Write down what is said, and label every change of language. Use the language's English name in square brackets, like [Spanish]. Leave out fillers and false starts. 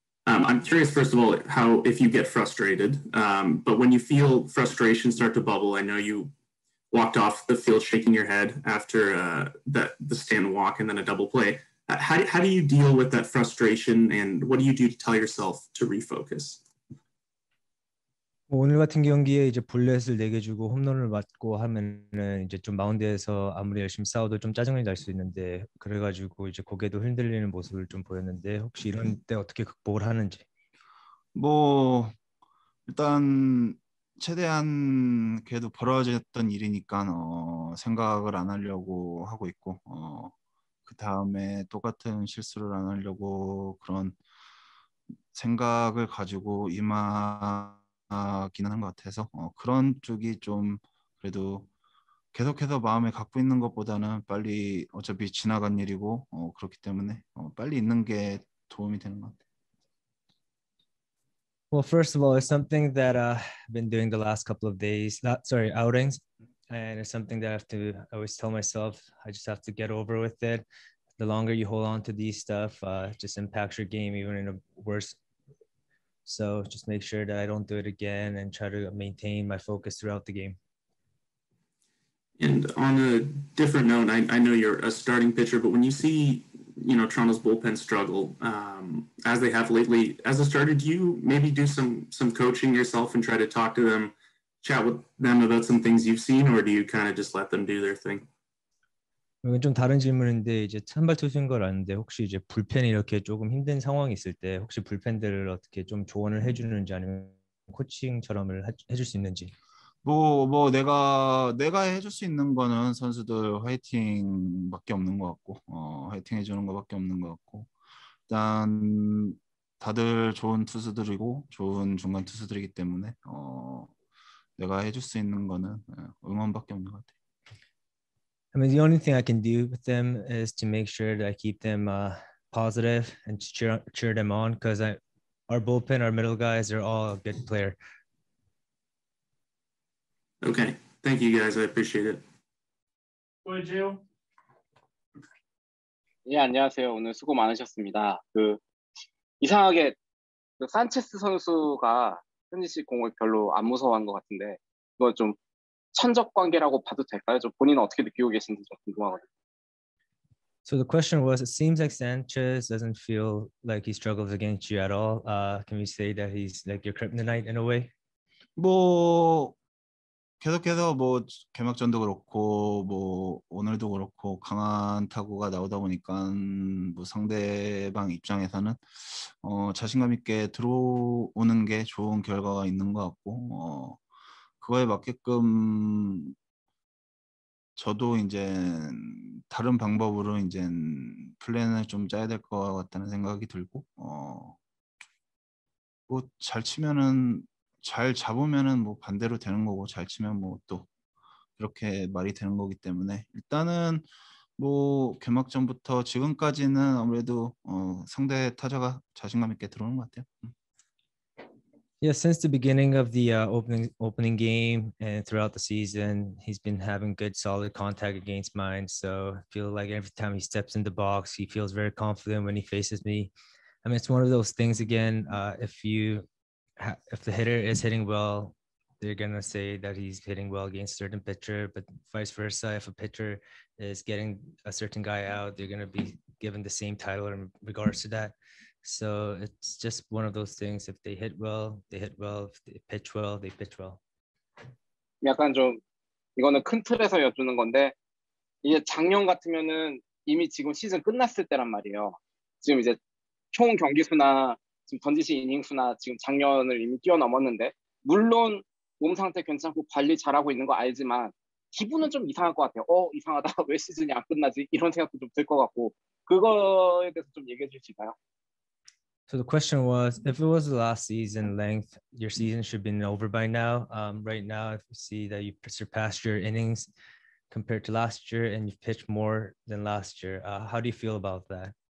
[English] I'm curious, first of all, how if you get frustrated, but when you feel frustration start to bubble, I know you walked off the field shaking your head after the stand walk and then a double play. How do you deal with that frustration, and what do you do to tell yourself to refocus? [Korean] 오늘 같은 경기에 이제 볼넷을 4개 주고 홈런을 맞고 하면은 이제 좀 마운드에서 아무리 열심히 싸워도 좀 짜증이 날 수 있는데 그래가지고 이제 고개도 흔들리는 모습을 좀 보였는데 혹시 이런 때 어떻게 극복을 하는지? 뭐 일단 최대한 그래도 벌어졌던 일이니까 생각을 안 하려고 하고 있고 그 다음에 똑같은 실수를 안 하려고 그런 생각을 가지고 기는 한 것 같아서 그런 쪽이 좀 그래도 계속해서 마음에 갖고 있는 것보다는 빨리 어차피 지나간 일이고 그렇기 때문에 빨리 있는 게 도움이 되는 것 같아요. [English] Well, first of all, it's something that I've been doing the last couple of days. Outings, and it's something that I have to always tell myself. I just have to get over with it. The longer you hold on to these stuff, just impacts your game even in a worse. So just make sure that I don't do it again and try to maintain my focus throughout the game. And on a different note, I know you're a starting pitcher, but when you see, you know, Toronto's bullpen struggle, as they have lately, as a starter, do you maybe do some coaching yourself and try to talk to them, chat with them about some things you've seen, or do you kind of just let them do their thing? [Korean] 좀 다른 질문인데 이제 선발 투수인 걸 아는데 혹시 이제 불펜이 이렇게 조금 힘든 상황이 있을 때 혹시 불펜들을 어떻게 좀 조언을 해주는지 아니면 코칭처럼을 해줄 수 있는지 뭐 내가 해줄 수 있는 거는 선수들 화이팅밖에 없는 것 같고 화이팅 해주는 것밖에 없는 것 같고 일단 다들 좋은 투수들이고 좋은 중간 투수들이기 때문에 내가 해줄 수 있는 거는 응원밖에 없는 것 같아요. [English] I mean, the only thing I can do with them is to make sure that I keep them positive and to cheer them on because our bullpen, our middle guys, they're all a good player. Okay. Thank you, guys. I appreciate it. Would you? [Korean] 예, 안녕하세요. 오늘 수고 많으셨습니다. 그 이상하게 그 산체스 선수가 현지 씨 공을 별로 안 무서워한 것 같은데 이거 좀 천적 관계라고 봐도 될까요? 좀 본인은 어떻게 느끼고 계신지 좀 궁금하거든요. [English] So the question was, it seems like Sanchez doesn't feel like he struggles against you at all. Can we say that he's like your kryptonite in a way? [Korean] 뭐 계속해서 뭐 개막전도 그렇고 뭐 오늘도 그렇고 강한 타구가 나오다 보니까 뭐 상대방 입장에서는 자신감 있게 들어오는 게 좋은 결과가 있는 것 같고. 그거에 맞게끔 저도 이제 다른 방법으로 이제 플랜을 좀 짜야 될 것 같다는 생각이 들고 뭐 잘 치면은 잘 잡으면은 뭐 반대로 되는 거고 잘 치면 뭐 또 그렇게 말이 되는 거기 때문에 일단은 뭐 개막전부터 지금까지는 아무래도 상대 타자가 자신감 있게 들어오는 것 같아요. [English] Yeah, since the beginning of the opening game and throughout the season, he's been having good, solid contact against mine. So I feel like every time he steps in the box, he feels very confident when he faces me. I mean, it's one of those things, again, if the hitter is hitting well, they're going to say that he's hitting well against a certain pitcher. But vice versa, if a pitcher is getting a certain guy out, they're going to be given the same title in regards to that. So it's just one of those things. If they hit well, they hit well. If they pitch well, they pitch well. [Korean] 약간 좀 이거는 큰 틀에서 여쭙는 건데 이제 작년 같으면은 이미 지금 시즌 끝났을 때란 말이에요. 지금 이제 총 경기 수나 지금 던지신 이닝 수나 지금 작년을 이미 뛰어넘었는데 물론 몸 상태 괜찮고 관리 잘하고 있는 거 알지만 기분은 좀 이상할 것 같아요. 이상하다. 왜 시즌이 안 끝나지? 이런 생각도 좀 들 것 같고 그거에 대해서 좀 얘기해 주실까요? [English] So the question was, if it was the last season length, your season should have been over by now. Right now, if you see that you've surpassed your innings compared to last year and you've pitched more than last year, how do you feel about that?